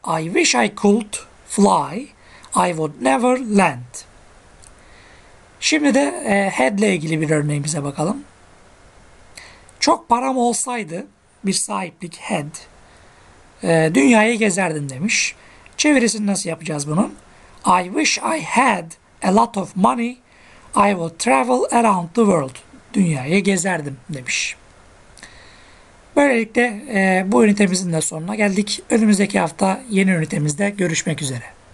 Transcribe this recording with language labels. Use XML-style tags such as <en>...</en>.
<en>I wish I could fly. I would never land.</en> <tr>Şimdi de head ile ilgili bir örneğimize bakalım. Çok param olsaydı bir sahiplik head dünyayı gezerdim demiş. Çevirisini nasıl yapacağız bunun?</tr> <en>I wish I had a lot of money. I would travel around the world.</en> <tr>Dünyayı gezerdim demiş. Böylelikle bu ünitemizin de sonuna geldik. Önümüzdeki hafta yeni ünitemizde görüşmek üzere.</tr>